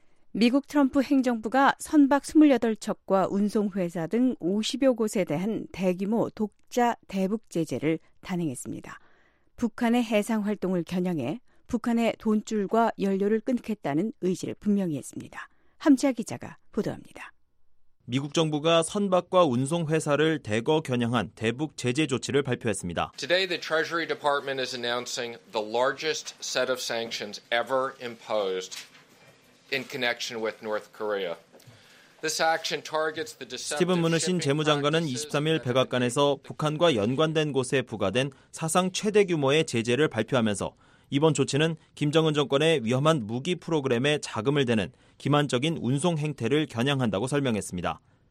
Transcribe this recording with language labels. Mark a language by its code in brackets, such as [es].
[ko] 미국 트럼프 행정부가 선박 28척과 운송회사 등 50여 곳에 대한 대규모 독자 대북 제재를 단행했습니다. 북한의 해상 활동을 겨냥해 북한의 돈줄과 연료를 끊겠다는 의지를 분명히 했습니다. 함지아 기자가 보도합니다. 미국 정부가 선박과 운송회사를 대거 겨냥한 대북 제재 조치를 발표했습니다. [en] Today the Treasury Department is announcing the largest set of sanctions ever imposed in connection with North Korea. [ko] 스티븐 무너신 재무장관은 23일 백악관에서 북한과 연관된 곳에 부과된 사상 최대 규모의 제재를 발표하면서 이번 조치는 김정은 정권의 위험한 무기 프로그램에 자금을 대는 기만적인 운송 행태를 겨냥한다고 설명했습니다.